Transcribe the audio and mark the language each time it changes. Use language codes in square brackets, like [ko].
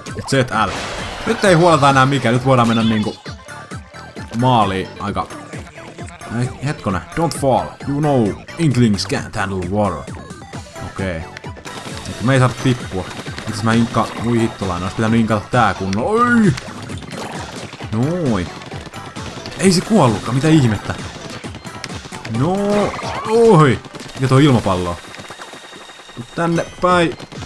[fi] ZL. Nyt ei huoleta enää mikään, nyt voidaan mennä niinku... maaliin aika... Hetkone, [en] don't fall. You know, inklings can't handle water. [fi] Okei. Okay. Me ei saa tippua. Mitäs mä inka... Ui hittolainen, ois pitänyt inkata tää kunnolla. Oi! Noi. Ei se kuollutkaan, mitä ihmettä? No, oi! Mikä toi ilmapallo? Tuu tänne päin.